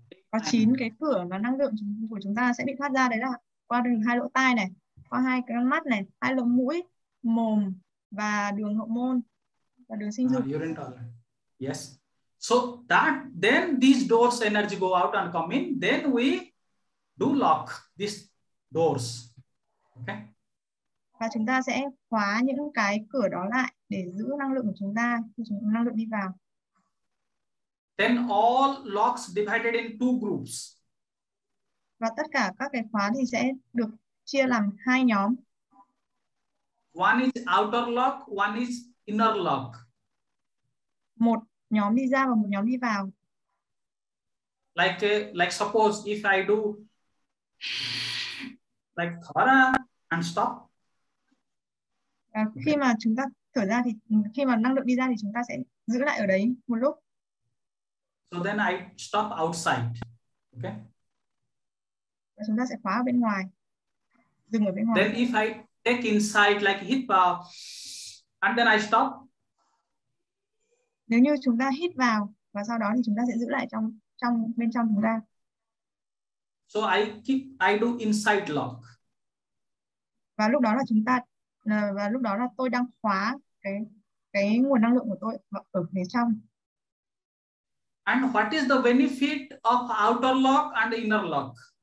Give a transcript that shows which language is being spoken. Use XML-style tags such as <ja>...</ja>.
<vi>Có chín cái cửa mà năng lượng của chúng ta sẽ bị thoát ra đấy là qua đường hai lỗ tai này, qua hai cái mắt này, hai lỗ mũi, mồm và đường hậu môn và đường sinh dục.</vi> <en>Urine toilet. Yes. So that then these doors energy go out and come in, then we do lock these doors. Okay.</en> <vi>Và chúng ta sẽ khóa những cái cửa đó lại để giữ năng lượng của chúng ta khi chúng năng lượng đi vào.</vi> <en>Then all locks divided in two groups.</en> <vi>Và tất cả các cái khóa thì sẽ được chia làm hai nhóm.</vi> <en>One is outer lock, one is inner lock.</en> <vi>Một nhóm đi ra và một nhóm đi vào.</vi> <en>Like suppose if I do like thora and stop.</en> <vi>À, khi mà chúng ta thở ra thì khi mà năng lượng đi ra thì chúng ta sẽ giữ lại ở đấy một lúc.</vi> <en>So then I stop outside. Okay.</en> <vi>Và chúng ta sẽ khóa ở bên ngoài. Dừng ở bên ngoài.</vi> <en>Then if I take inside like hit bar and then I stop.</en> <vi>Nếu như chúng ta hít vào và sau đó thì chúng ta sẽ giữ lại trong trong bên trong chúng ta.</vi> <en>So I do inside lock.</en> <vi>Và lúc đó là chúng ta và lúc đó là tôi đang khóa cái nguồn năng lượng của tôi ở phía trong.</vi> <en>And what is the benefit of outer lock and inner lock?</en>